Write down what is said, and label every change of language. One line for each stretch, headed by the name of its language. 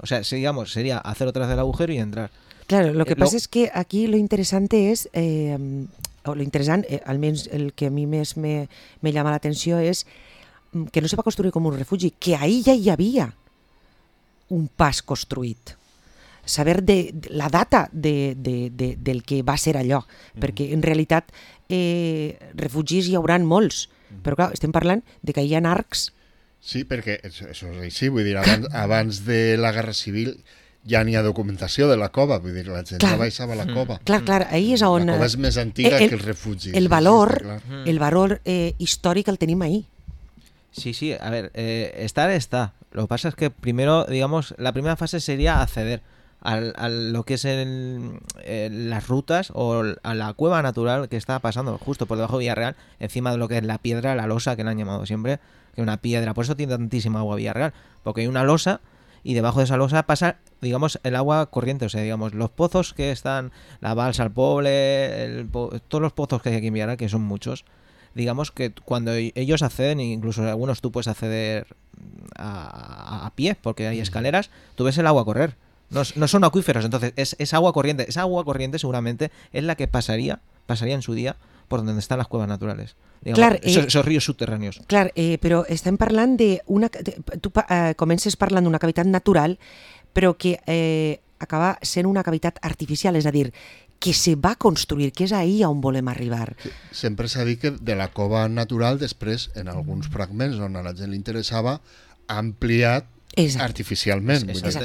Spanish: O sea, digamos, sería hacer otra vez el agujero y entrar. Claro, lo que pasa es que aquí lo interesante es, o lo interesante, almenys el que a mí más me llama la atención, es que no se va a construir como un refugio, que ahí ya había
Catalan: un pas construït. Saber de la data del que va ser allò, perquè en realitat refugis hi hauran molts, però clar, estem parlant de que hi ha arcs. Sí, perquè això és així, vull dir, abans de la Guerra Civil ja n'hi ha documentació de la cova, vull dir, la gent ja baixava la cova. Clar, ahir és on... La cova és més antiga que els refugis. El valor històric el tenim ahir. Sí, sí, a veure, estar està.
Spanish: Lo que pasa es que primero, digamos, la primera fase sería acceder a lo que es las rutas o a la cueva natural que está pasando justo por debajo de Villarreal, encima de lo que es la piedra, la losa, que la han llamado siempre, que es una piedra, por eso tiene tantísima agua Villarreal, porque hay una losa y debajo de esa losa pasa, digamos, el agua corriente, o sea, digamos, los pozos que están, la balsa, el poble, todos los pozos que hay aquí en Villarreal, que son muchos, digamos que cuando ellos acceden, incluso algunos tú puedes acceder a pie, porque hay escaleras, tú ves el agua correr. No son acuíferos, entonces es agua corriente. Esa agua corriente seguramente es la que pasaría en su día por donde están las cuevas naturales. Digamos,
Catalan: clar,
Spanish: esos ríos subterráneos.
Catalan: Claro, pero estem parlant de una... Tu comences parlant d'una cavitat natural, però que acaba sent una cavitat artificial, és a dir, que se va construir, que és ahí on volem arribar. Sempre s'ha dit que de la cova natural, després, en alguns fragments on a la gent li interessava, ha ampliat artificialment. Exacte.